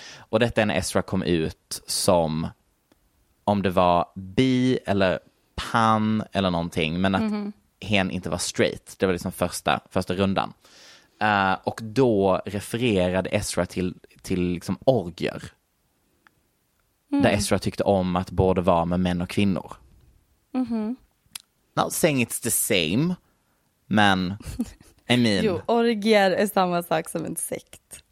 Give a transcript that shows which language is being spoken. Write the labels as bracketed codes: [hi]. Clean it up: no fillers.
[sv] Och detta är när Ezra kom ut som, om det var bi eller pan eller någonting, men att hen inte var straight. Det var liksom första rundan. Och då refererade Ezra till liksom orger. Där Ezra tyckte om att både vara med män och kvinnor. [en] Not saying it's the same, [sv] men [en] I mean... [sv] Jo, orgier är samma sak som en sekt.